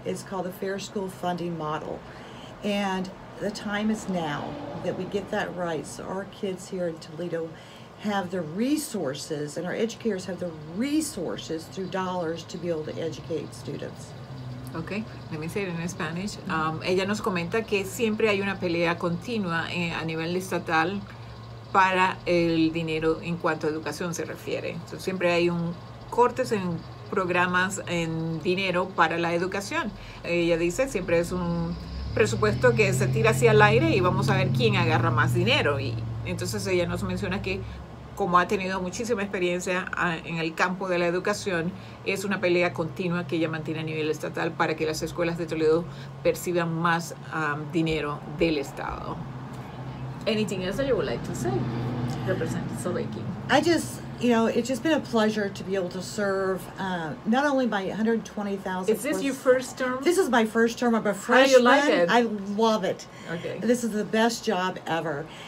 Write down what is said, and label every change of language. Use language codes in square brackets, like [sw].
[en] It's called the Fair School Funding Model. And the time is now that we get that right so our kids here in Toledo have the resources and our educators have the resources through dollars to be able to educate students. Okay, let me say it in Spanish. [es] Ella nos comenta que siempre hay una pelea continua a nivel estatal para el dinero en cuanto a educación se refiere. So, siempre hay un cortes en programas en dinero para la educación. Ella dice, siempre es un presupuesto que se tira hacia el aire y vamos a ver quién agarra más dinero. Y entonces ella nos menciona que como ha tenido muchísima experiencia en el campo de la educación, es una pelea continua que ella mantiene a nivel estatal para que las escuelas de Toledo perciban más dinero del estado. [en] Anything else that you would like to say, Representative Sobecki? You know, it's just been a pleasure to be able to serve not only my 120,000. Is this your first term? This is my first term. I'm a freshman. How do you like it? I love it. Okay. This is the best job ever.